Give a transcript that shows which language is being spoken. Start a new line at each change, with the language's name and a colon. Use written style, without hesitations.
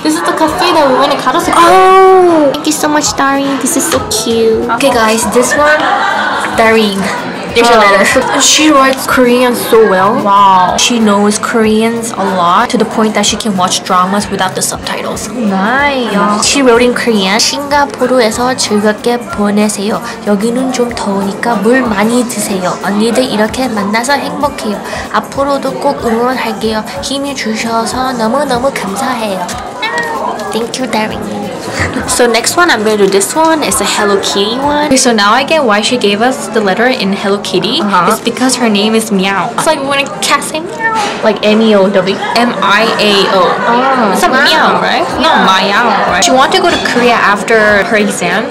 English: This is the cafe that we went to Kado's. Oh! Thank you so much, Darine. This is so cute. Okay, guys, this one, Darine. There's your letter. She writes Korean so well. Wow. She knows Koreans a lot to the point that she can watch dramas without the subtitles. Nice. She wrote in Korean.
Korean: 싱가포르에서 즐겁게 보내세요. 여기는 좀 더우니까 물 많이 드세요. 언니들 이렇게 만나서 행복해요. 앞으로도 꼭 응원할게요. 힘이 주셔서 너무너무 감사해요.
English: Thank you, Darren. So next one, I'm going to do this one. It's a Hello Kitty one. Okay, so now I get why she gave us the letter in Hello Kitty. Uh-huh. It's because her name is Meow. It's like when a cat say Meow. Like M-E-O-W. M-I-A-O. Oh, it's a Meow, right? Yeah. No, Meow, right? She wanted to go to Korea after her exam.